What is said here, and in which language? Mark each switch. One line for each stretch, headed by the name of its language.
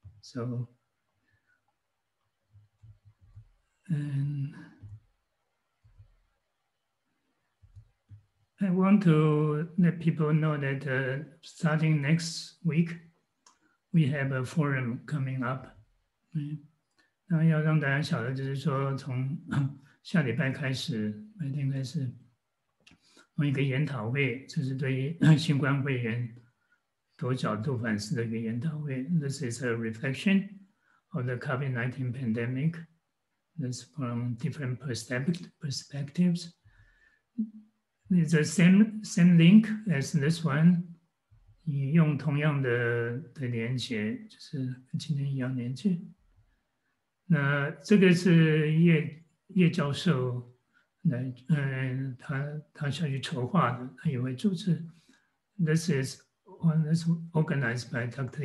English: So, and I want to let people know that starting next week, we have a forum coming up. Okay.
Chinese: 那要让大家晓得，就是说从下礼拜开始，每天开始。一个研讨会，这是对新冠肺炎多角度反思的一个研讨会。
English: This is a reflection of the COVID-19 pandemic. This from different perspectives. It's the same link as this one.
Chinese: 用同样的连接，就是跟今天一样连接。那这个是叶教授来，他下去筹划的，他也会组织。
English: This is one that's organized by Dr.